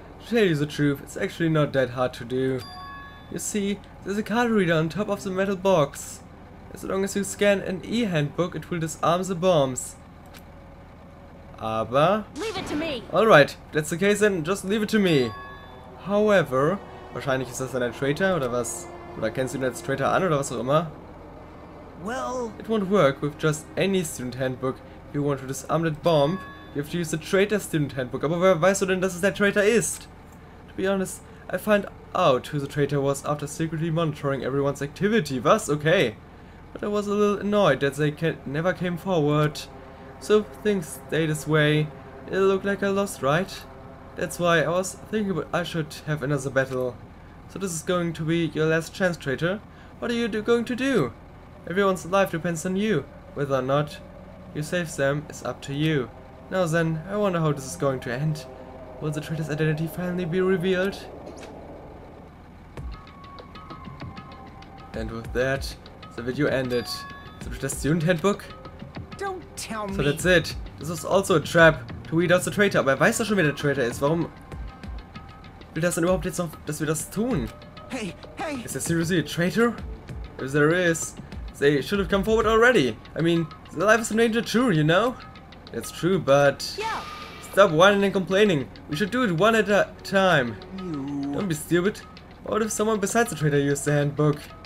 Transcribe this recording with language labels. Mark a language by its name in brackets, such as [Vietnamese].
[English] To tell you the truth, it's actually not that hard to do. You see, there's a card reader on top of the metal box. As long as you scan an e-handbook, it will disarm the bombs. [German] Aber... [English] Leave it to me! Alright, that's the case then, just leave it to me! [German] However, wahrscheinlich ist das dann ein Traitor, oder was? Oder kennst du ihn als Traitor an, oder was auch immer? [English] Well... It won't work with just any student handbook. If you want to disarm that bomb, you have to use the Traitor Student Handbook, [German] aber wer weißt du denn, dass es der Traitor ist? [English] To be honest, I find out who the Traitor was after secretly monitoring everyone's activity. [German] Was? [English] Okay. But I was a little annoyed that they never came forward. So if things stay this way, it'll look like I lost, right? That's why I was thinking I should have another battle. So this is going to be your last chance, Traitor. What are you going to do? Everyone's life depends on you. Whether or not you save them is up to you. Now then, I wonder how this is going to end. Will the traitor's identity finally be revealed? And with that, the video ended. So the student handbook? Don't tell me. So that's it. This was also a trap to weed out the traitor. [German] Aber weiß doch schon, wer der Traitor ist. Warum will das denn überhaupt jetzt noch, dass wir das tun? [English] Hey, hey! Is there seriously a traitor? If there is, they should have come forward already. I mean, the life is in danger too, you know? That's true, but... Yeah. Stop whining and complaining! We should do it one at a time! You. Don't be stupid! What if someone besides the traitor used the handbook?